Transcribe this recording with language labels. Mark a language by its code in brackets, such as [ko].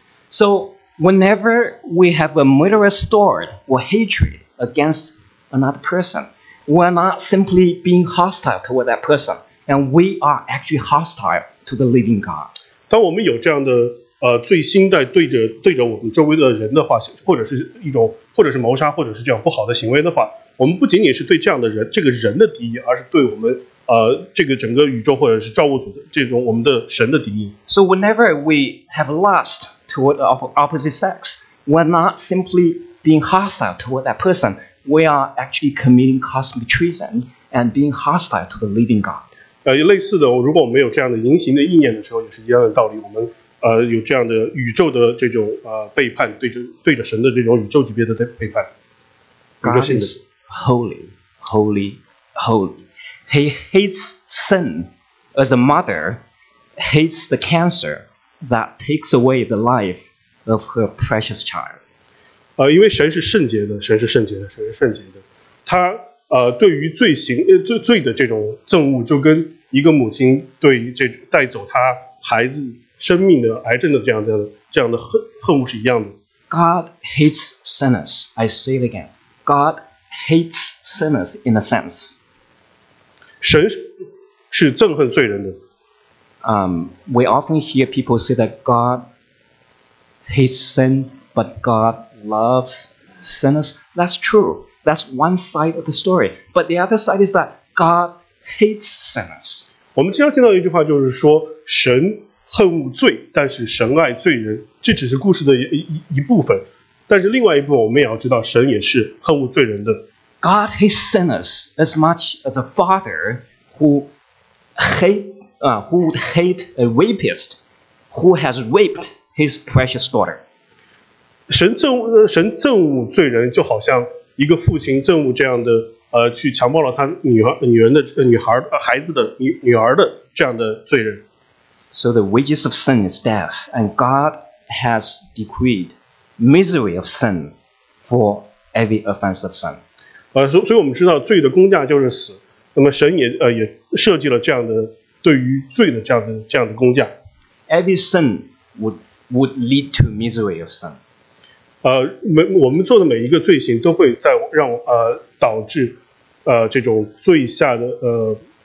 [en] So whenever we have a murderous thought or hatred against another person, we're not simply being hostile toward that person, and we are actually hostile to the living God. [zh] 当我们有这样的罪心在对着我们周围的人的话，或者是谋杀，或者是这样不好的行为的话，我们不仅仅是对这样的人这个人的敌意，而是对我们这个整个宇宙或者是造物主的这种我们的神的敌意。 [en] So whenever we have lust toward the opposite sex, we're not simply being hostile toward that person. We are actually committing cosmic treason and being hostile to the living God. [zh] 类似的，如果我们有这样的淫行的意念的时候，也是一样的道理。我们有这样的宇宙的这种背叛，对着神的这种宇宙级别的背叛。 [en] God is holy, holy, holy. He hates sin as a mother hates the cancer that takes away the life of her precious child. [zh] 因为神是圣洁的，神是圣洁的，神是圣洁的。他对于罪行罪的这种憎恶，就跟一个母亲对这带走他孩子生命的癌症的这样的恨恶是一样的。 [en] God hates sinners. I say it again. God hates sinners in a sense. [zh] 神是憎恨罪人的。 [en] We often hear people say that God hates sin, but God loves sinners. That's true. That's one side of the story. But the other side is that God hates sinners. [zh] 我们经常听到一句话，就是说神恨恶罪，但是神爱罪人，这只是故事的一部分。但是另外一部分，我们也要知道，神也是恨恶罪人的。 [en] God hates sinners as much as a father who would hate a rapist who has raped his precious daughter. [zh] 神憎恶罪人，就好像一个父亲憎恶这样的去强暴了他女儿的这样的罪人。 [en] So the wages of sin is death, and God has decreed misery of sin for every offense of sin. [zh] 所以我们知道罪的工价就是死。那么神也设计了这样的对于罪的这样的工价。 [en] Every sin would lead to misery of sin. [zh] 我们做的每一个罪行都会在让导致这种罪下的